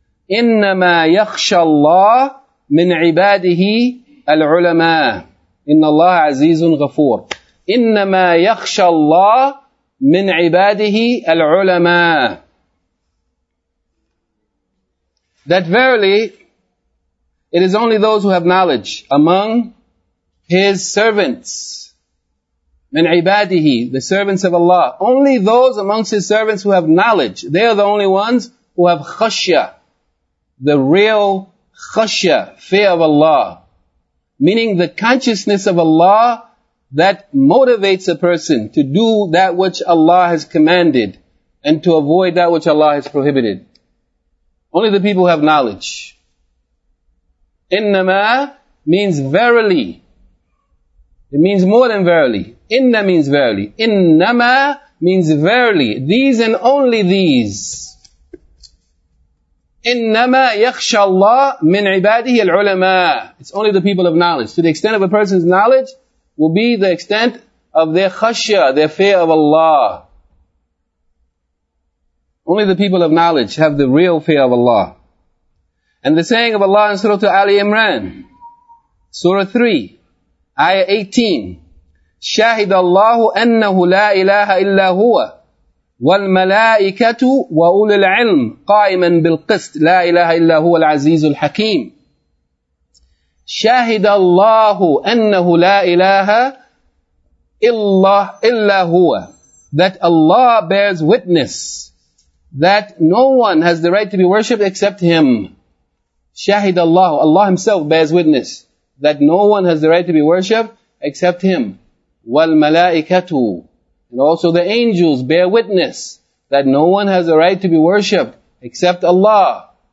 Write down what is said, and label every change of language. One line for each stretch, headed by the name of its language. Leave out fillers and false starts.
Arabic: إِنَّمَا يَخْشَى اللَّهِ مِنْ عِبَادِهِ الْعُلَمَاءِ إِنَّ اللَّهَ عَزِيزٌ غَفُورٌ إِنَّمَا يَخْشَى اللَّهِ مِنْ عِبَادِهِ الْعُلَمَاءِ
English: That verily, it is only those who have knowledge among His servants.
Arabic: مِنْ عِبَادِهِ
English: The servants of Allah. Only those amongst His servants who have knowledge. They are the only ones who have khashya. The real khashya, fear of Allah. Meaning the consciousness of Allah that motivates a person to do that which Allah has commanded and to avoid that which Allah has prohibited. Only the people who have knowledge. Innama means verily. It means more than verily. Inna means verily. Innama means verily. These and only these.
Arabic: Innama yakhsha Allah min ibadihi al-ulama.
English: It's only the people of knowledge. To the extent of a person's knowledge will be the extent of their khashya, their fear of Allah. Only the people of knowledge have the real fear of Allah. And the saying of Allah in Surah Ali Imran, Surah 3, Ayah 18,
Arabic: شَهِدَ اللَّهُ أَنَّهُ لَا إِلَهَ إِلَّا هُوَ وَالْمَلَائِكَةُ وَأُولُو الْعِلْمِ قَائِمًا بِالْقِسْطِ لَا إِلَهَ إِلَّا هُوَ الْعَزِيزُ الْحَكِيمُ شَهِدَ اللَّهُ أَنَّهُ لَا إِلَهَ إِلَّا هُوَ.
English: That Allah bears witness that no one has the right to be worshipped except Him.
Arabic: شَهِدَ اللَّهُ.
English: Allah Himself bears witness that no one has the right to be worshipped except Him.
Arabic: وَالْمَلَائِكَةُ.
English: And also the angels bear witness that no one has a right to be worshipped except Allah.